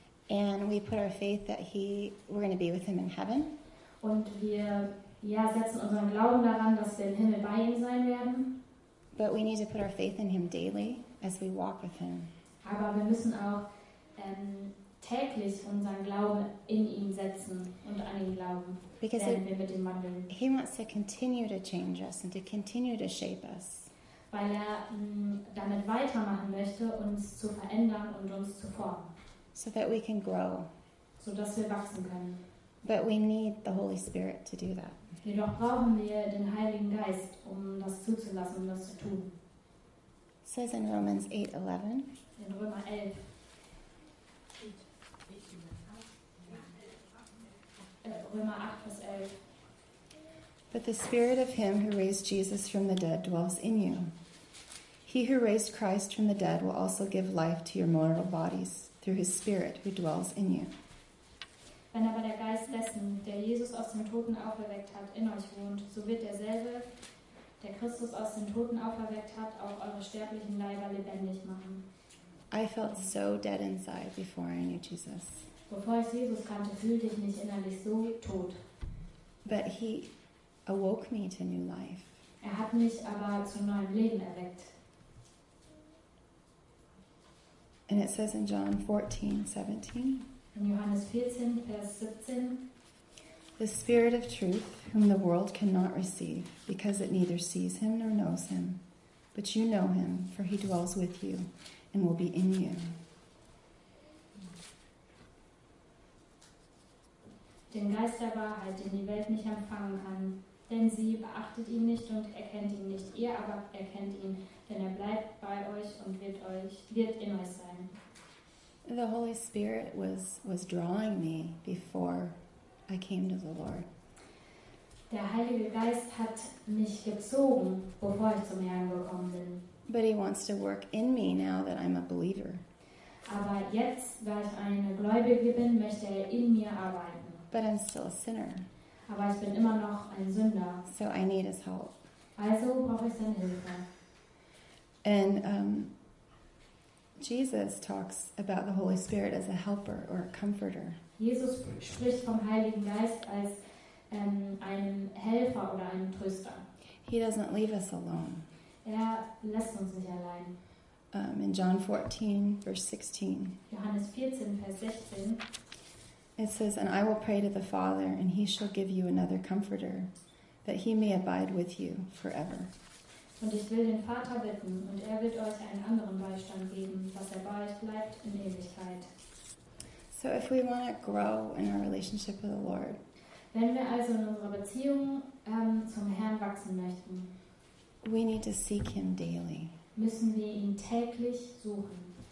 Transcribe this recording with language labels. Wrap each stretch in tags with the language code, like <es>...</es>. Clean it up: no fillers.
<en>And we put our faith that we're going to be with him in heaven.</en> <de>Und wir setzen unseren Glauben daran, dass wir im Himmel bei ihm sein werden.</de> <en>But we need to put our faith in him daily as we walk with him.</en> <de>Aber wir müssen auch täglich unseren Glauben in ihn setzen und an ihn glauben,</de> <en>because</en> <de>wenn wir mit ihm wandeln.</de> <en>He wants to continue to change us and to continue to shape us.</en> <de>Weil er damit weitermachen möchte, uns zu verändern und uns zu formen.</de> <en>So that we can grow.</en> <de>So dass wir wachsen können.</de> <en>But we need the Holy Spirit to do that.</en> <de>Jedoch brauchen wir den Heiligen Geist, um das zuzulassen, um das zu tun.</de> <en>It says in Romans 8:11.</en> <de>In Römer 11. Römer 8, Vers 11.</de> <en>But the Spirit of him who raised Jesus from the dead dwells in you. He who raised Christ from the dead will also give life to your mortal bodies through his Spirit who dwells in you.</en> <de>Wenn aber der Geist dessen, der Jesus aus den Toten auferweckt hat, in euch wohnt, so wird derselbe, der Christus aus den Toten auferweckt hat, auch eure sterblichen Leiber lebendig machen.</de> <en>I felt so dead inside before I knew Jesus.</en> <de>Bevor ich Jesus kannte, fühlte ich mich innerlich so tot.</de> <en>But he awoke me to new life.</en> <de>Er hat mich aber zu neuem Leben erweckt.</de> <en>And it says in John 14:17.</en> <de>In Johannes 14, Vers 17.</de> <en>The Spirit of truth, whom the world cannot receive, because it neither sees him nor knows him. But you know him, for he dwells with you and will be in you.</en> <de>Den Geist der Wahrheit, den die Welt nicht empfangen kann, denn sie beachtet ihn nicht und erkennt ihn nicht. Ihr aber erkennt ihn, denn er bleibt bei euch und wird in euch sein.</de> <en>The Holy Spirit was drawing me before I came to the Lord.</en> <de>Der Heilige Geist hat mich gezogen, bevor ich zum Herrn gekommen bin.</de> <en>But he wants to work in me now that I'm a believer.</en> <de>Aber jetzt, da ich eine Gläubige bin, möchte er in mir arbeiten.</de> <en>But I'm still a sinner.</en> <de>Aber ich bin immer noch ein Sünder.</de> <en>So I need his help.</en> <de>Also brauche ich seine Hilfe.</de> <en>And Jesus talks about the Holy Spirit as a helper or a comforter.</en> <de>Jesus spricht vom Heiligen Geist als ein Helfer oder ein Tröster.</de> <en>He doesn't leave us alone.</en> <de>Er lässt uns nicht allein.</de> <en>In John 14, verse 16.</en> <de>Johannes 14, Vers 16.</de> <en>It says, "And I will pray to the Father, and he shall give you another comforter, that he may abide with you forever."</en> <de>Und ich will den Vater bitten, und wird euch einen anderen Beistand geben, dass bei euch bleibt in Ewigkeit.</de> <en>So if we want to grow in our relationship with the Lord,</en> <de>wenn wir also in unserer Beziehung zum Herrn wachsen möchten,</de> <en>we need to seek him daily.</en> <de>Müssen wir ihn täglich suchen.</de>